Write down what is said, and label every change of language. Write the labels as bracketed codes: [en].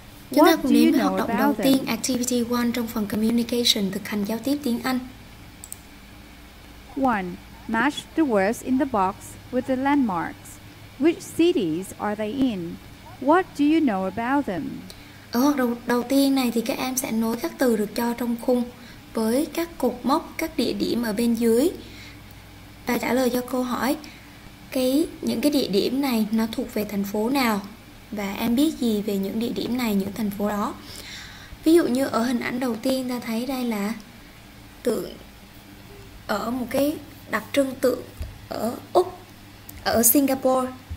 [vi] Chúng ta cùng đến với hoạt động đầu tiên, Activity 1 trong phần Communication, thực hành giao tiếp tiếng Anh. 1. [en] Match the words in the box with the landmarks. Which cities are they in? What do you know about them? [vi] Ở hoạt động đầu tiên này thì các em sẽ nối các từ được cho trong khung với các cột mốc, các địa điểm ở bên dưới. Và trả lời cho câu hỏi, những cái địa điểm này nó thuộc về thành phố nào? Và em biết gì về những địa điểm này, những thành phố đó? Ví dụ như ở hình ảnh đầu tiên ta thấy đây là tượng, ở một cái đặc trưng tượng ở Úc, ở Singapore.